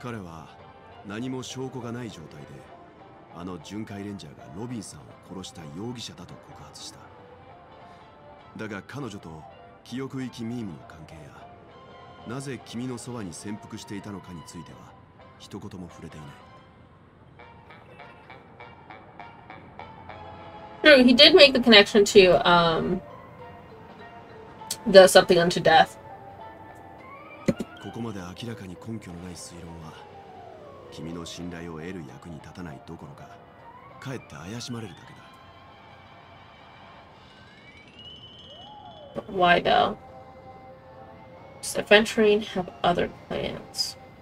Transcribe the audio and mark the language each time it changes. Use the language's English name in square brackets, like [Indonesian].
[Japanese] 彼は何も証拠がない状態で。あの巡回レンジャーがロビンさんを殺した容疑者だと告発した。だが彼女と記憶域ミームの関係やなぜ君のそばに潜伏していたのかについては一言も触れていない。 [English] True, he did make the connection to the something unto death. [Japanese] ここまで明らかに根拠のない推論は君の信頼を得る役に立たないどころか、かえって怪しまれるだけだ。 [English] Why though? Does Adventuring have other plans?